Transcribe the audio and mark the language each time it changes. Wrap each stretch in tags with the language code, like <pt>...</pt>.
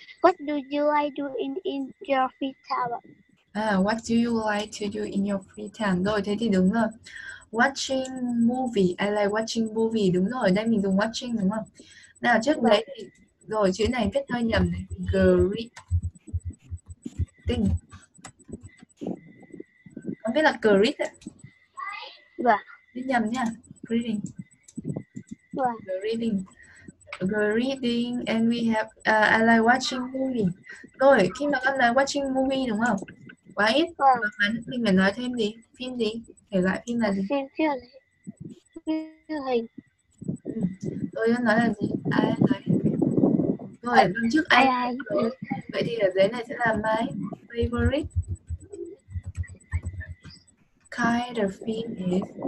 <en>What do you like to do in your free time? What do you like to do in your free time?</en> <vi>Rồi thế thì đúng rồi.</vi> <en>Watching movie. I like watching movie.</en> <vi>Đúng rồi, đây mình dùng watching đúng không? Nào trước đấy thì, rồi chữ này viết hơi nhầm này.</vi> <en>Greeting.</en> <vi>Không biết là greet ạ. Vâng. Viết nhầm nha. Greeting. Vâng.</vi> <en>Greeting. Greeting and we have I like watching movie.</en> <vi>Rồi khi mà con nói watching movie đúng không? Quá ít. Vâng. Mình phải nói thêm gì? Phim gì? Thể loại phim là gì? Phim hình. Tôi đang nói là gì? I like. Rồi đằng trước I like. Vậy thì ở dưới này sẽ là</vi> <en>my favorite kind of film is.</en>